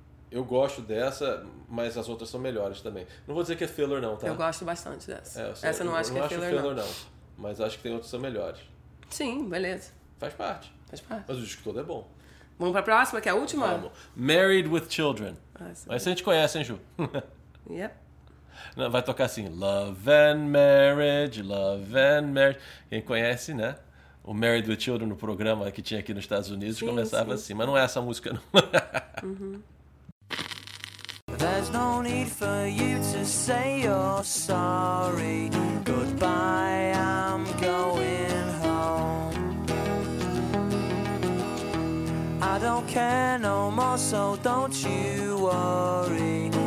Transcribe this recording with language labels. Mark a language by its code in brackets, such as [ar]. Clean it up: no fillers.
[pt] Eu gosto dessa, mas as outras são melhores também. Não vou dizer que é filler, não, tá? Eu gosto bastante dessa. Eu não acho que é filler, não. Mas acho que tem outras que são melhores. Sim, beleza. Faz parte. Mas o disco todo é bom. Vamos para a próxima, que é a última? Vamos. Married with Children. Mas essa a gente conhece, hein, Ju? [en] Yep. [pt] Não, vai tocar assim. [en] Love and Marriage, Love and Marriage. [pt] Quem conhece, né? O Married with Children, no programa que tinha aqui nos Estados Unidos, sim, começava sim. Assim. Mas não é essa música, não. [en] There's no need for you to say you're sorry. Goodbye, I'm going home. I don't care no more, so don't you worry.